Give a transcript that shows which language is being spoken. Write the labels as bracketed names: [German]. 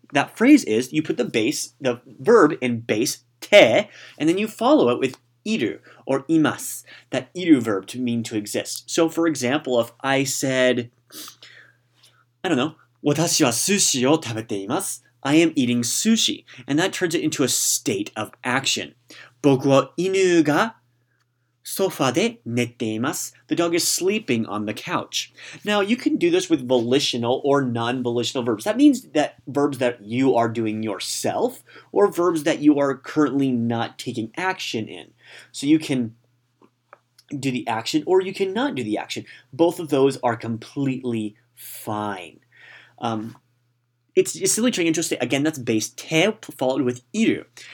[English] That phrase is, you put the verb in base, te, and then you follow it with iru or imasu, that iru verb to mean to exist. So for example, if I said, I don't know, [Japanese] 私は sushi を食べています. [English] I am eating sushi. And that turns it into a state of action. [Japanese] 僕は犬がソファで寝ています. [English] The dog is sleeping on the couch. Now you can do this with volitional or non-volitional verbs. That means that verbs that you are doing yourself or verbs that you are currently not taking action in. So you can do the action or you cannot do the action. Both of those are completely fine. It's silly trying to say, again, that's base te followed with iru.